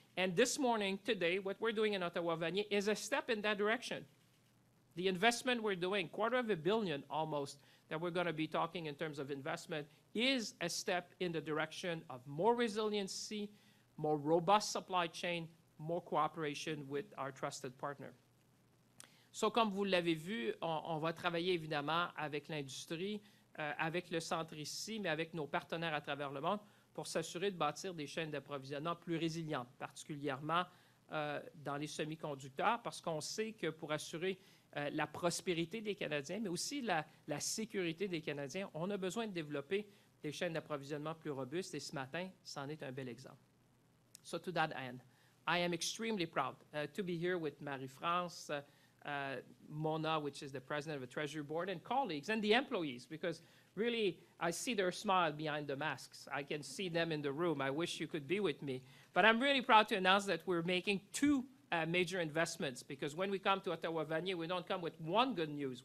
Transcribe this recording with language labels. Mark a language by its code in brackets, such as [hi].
[en] And this morning, today, what we're doing in Ottawa Vanier is a step in that direction. The investment we're doing, quarter of a billion almost, that we're going to be talking in terms of investment, is a step in the direction of more resiliency, more robust supply chain, more cooperation with our trusted partner. [fr] So, comme vous l'avez vu, on va travailler évidemment avec l'industrie, avec le centre ici, mais avec nos partenaires à travers le monde, pour s'assurer de bâtir des chaînes d'approvisionnement plus résilientes, particulièrement dans les semi-conducteurs, parce qu'on sait que pour assurer la prospérité des Canadiens, mais aussi la sécurité des Canadiens, on a besoin de développer des chaînes d'approvisionnement plus robustes, et ce matin, c'en est un bel exemple. [en] So to that end, I am extremely proud to be here with Marie-France, Mona, which is the president of the Treasury Board, and colleagues, and the employees, because really, I see their smile behind the masks. I can see them in the room. I wish you could be with me. But I'm really proud to announce that we're making two major investments, because when we come to Ottawa Vanier, we don't come with one good news.